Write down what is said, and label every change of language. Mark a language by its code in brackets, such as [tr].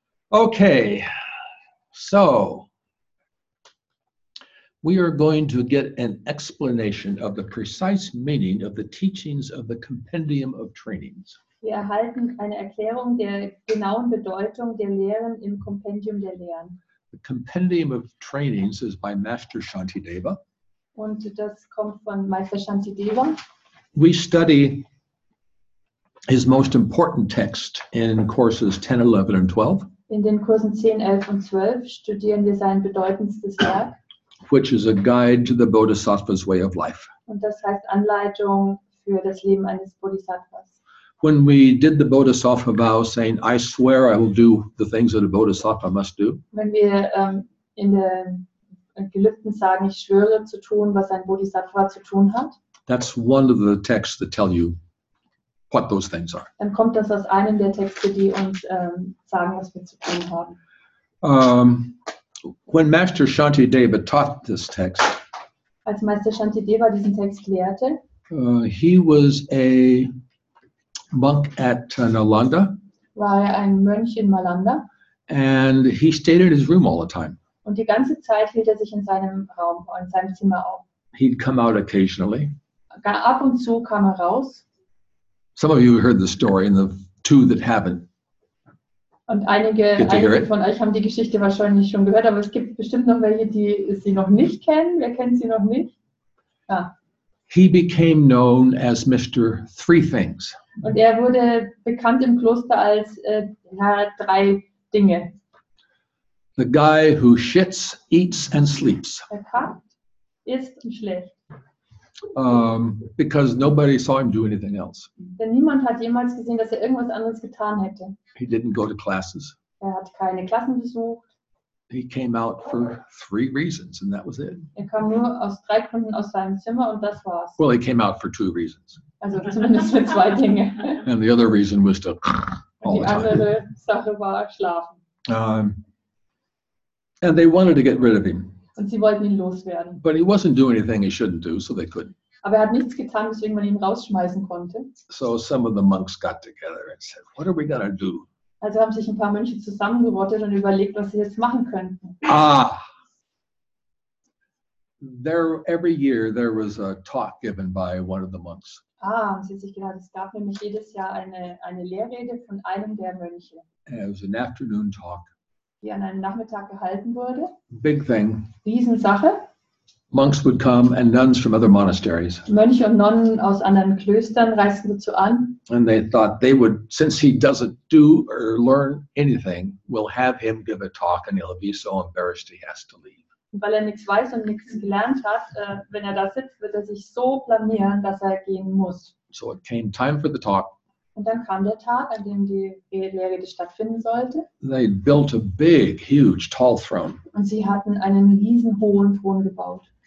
[en] Okay, so we are going to get an explanation of the precise meaning of the teachings of the Compendium of Trainings. [de] Wir erhalten eine Erklärung der genauen Bedeutung der Lehren im Kompendium der Lehren. [en] The Compendium of Trainings is by Master Shantideva. [de] Und das kommt von Meister Shantideva. [en] We study his most important text in courses 10, 11 and 12. [de] In den Kursen 10, 11 und 12 studieren wir sein bedeutendstes Werk. [en] Which is a guide to the Bodhisattva's way of life. [de] Und das heißt Anleitung für das Leben eines Bodhisattvas. [en] When we did the Bodhisattva vow, saying, "I swear I will do the things that a Bodhisattva must do." [de] Wenn wir in den Gelübden sagen, ich schwöre zu tun, was ein Bodhisattva zu tun hat. [en] That's one of the texts that tell you what those things are. [de] Dann kommt das aus einem der Texte, die uns sagen, was wir zu tun haben. [en] When Master Shantideva taught this text, [de] als Meister Shantideva diesen Text lehrte, [en] he was a monk at Nalanda. [de] War ein Mönch in Nalanda. [en] And he stayed in his room all the time. [de] Und die ganze Zeit hielt er sich in seinem Raum, in seinem Zimmer auf. [en] He'd come out occasionally. [de] Ab und zu kam er raus. [en] Some of you heard the story, and the two that haven't. [de] Und einige von euch haben die Geschichte wahrscheinlich schon gehört, aber es gibt bestimmt noch welche, die sie noch nicht kennen. Wer kennt sie noch nicht? Ja. [en] He became known as Mr. Three Things. [de] Und er wurde bekannt im Kloster als Herr Drei Dinge. [en] The guy who shits, eats and sleeps. [de] Er kackt, isst und schläft. [en] Because nobody saw him do anything else. [de] Denn niemand hat jemals gesehen, dass er irgendwas anderes getan hätte. [en] He didn't go to classes. [de] Er hat keine Klassen besucht. [en] He came out for three reasons, and that was it. [de] Er kam nur aus drei Gründen aus seinem Zimmer, und das war's. [en] Well, he came out for two reasons. [de] Also zumindest für zwei Dinge. [en] And the other reason was to all the time. [de] Die andere Sache war schlafen. [en] And they wanted to get rid of him. [de] Und sie wollten ihn loswerden. [en] But he wasn't doing anything he shouldn't do, so they couldn't. [de] Aber er hat nichts getan, weswegen man ihn rausschmeißen konnte. [en] So some of the monks got together and said, what are we going to do? [de] Also haben sich ein paar Mönche zusammengerottet und überlegt, was sie jetzt machen könnten. Ah! [en] Every year there was a talk given by one of the monks. [de] Ah, sie hat sich gedacht, es gab nämlich jedes Jahr eine Lehrrede von einem der Mönche. [en] And it was an afternoon talk. [de] Die an einem Nachmittag gehalten wurde. [en] Big thing. [de] Riesensache. [en] Monks would come and nuns from other monasteries. [de] Mönche und Nonnen aus anderen Klöstern reisten dazu an. [en] And they thought they would, since he doesn't do or learn anything, we'll have him give a talk and he'll be so embarrassed he has to leave. [de] Weil er nichts weiß und nichts gelernt hat, wenn er da sitzt, wird er sich so blamieren, dass er gehen muss. [en] So it came time for the talk. [de] Und dann kam der Tag, an dem die Lehrrede stattfinden sollte. [en] They built a big, huge, tall throne. [de] Und sie hatten einen riesen hohen Thron gebaut.